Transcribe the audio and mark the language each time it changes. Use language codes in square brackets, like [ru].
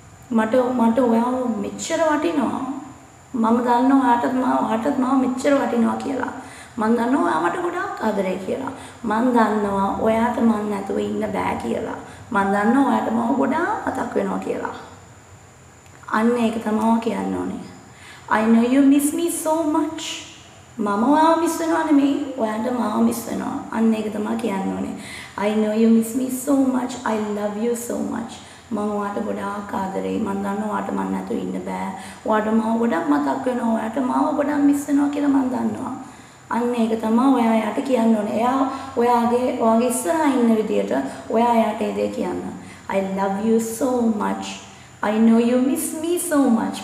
[si] මට ඔයාව මෙච්චර වටිනවා මම දන්නවා ඔයාටත් මම මෙච්චර වටිනවා කියලා මම දන්නවා ඔයා මට ගොඩාක් ආදරෙයි කියලා මම දන්නවා ඔයාට මං නැතුව ඉන්න බෑ කියලා මම දන්නවා ඔයාට මම ගොඩාක් අතක් වෙනවා කියලා අන්න ඒක තමයි මම කියන්න ඕනේ. [en] I know you miss me so much. [si] මම ඔයාව මිස් වෙනවා නෙමෙයි, ඔයාට මාව මිස් වෙනවා. අන්න ඒක තමයි කියන්න ඕනේ. [en] I know you miss me so much. I love you so much. [si] මම ඔයාට ගොඩාක් ආදරෙයි. මම දන්නවා ඔයාට මන් නැතුව ඉන්න බෑ. ඔයාට මාව ගොඩක් මතක් වෙනවා. ඔයාට මාව ගොඩක් මිස් වෙනවා කියලා මම දන්නවා. අන්න ඒක තමයි ඔයා යට කියන්න ඕනේ. එයා ඔයාගේ ඉස්සරහා ඉන්න විදියට ඔයා යට ඒ දේ කියන්න. [en] I love you so much. I know you miss me so much.